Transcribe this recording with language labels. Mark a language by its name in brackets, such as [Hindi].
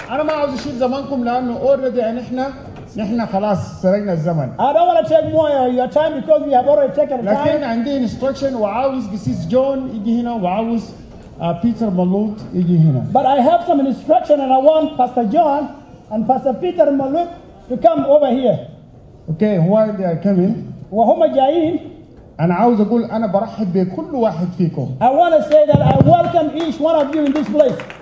[Arabic] أنا ما عاوز أشيل زمانكم لأنه already يعني إحنا خلاص سرقنا الزمن. [English] I don't want to take more of your time because we have already taken time. [Arabic] لكن عندي instruction وعاوز قسيس جون يجي هنا وعاوز بيتر مالوت يجي هنا. [English] But I have some instruction and I want Pastor John and Pastor Peter Malut to come over here. Okay, who are they coming? [Arabic] وهم جايين. أنا عاوز أقول أنا برحب بكل واحد فيكم. [English] I want to say that I welcome each one of you in this place.